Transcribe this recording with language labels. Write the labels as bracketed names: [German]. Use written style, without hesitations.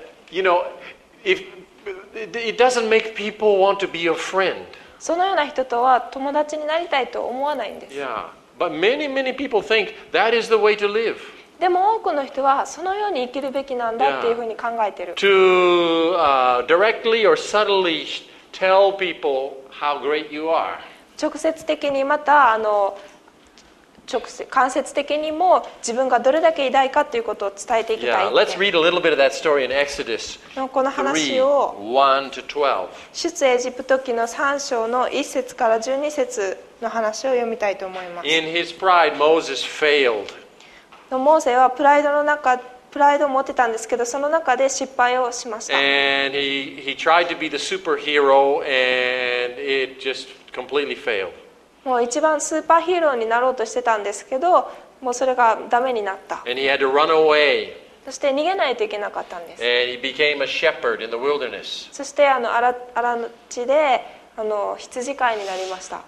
[English] You know, if it doesn't make people want to be your friend. [Japanese] そのような人とは友達になりたいと思わないんです。 [English] Yeah. But many, many people think that is the way to live. [Japanese] でも多くの人はそのように生きるべきなんだっていうふうに考えてる。 [English] Yeah. To, directly or subtly tell people how great you are. [Japanese] 直接的にまた間接的にも自分がどれだけ偉大かということを伝えていきたい。 [English] Yeah. Let's read a little bit of that story in Exodus 3:1-12. [Japanese] 出エジプト記の3章の1節から12節の話を読みたいと思います。 [English] In his pride, Moses failed. [Japanese] モーセはプライドを持ってたんですけど、その中で失敗をしました。 [English] And he tried to be the superhero and it just completely failed. [Japanese] もう一番スーパーヒーローになろうとしてたんですけど、もうそれがダメになった。 [English] And he had to run away. [Japanese] そして逃げないといけなかったんです。 [English] And he became a shepherd in the wilderness. [Japanese] そして荒地で羊飼いになりました。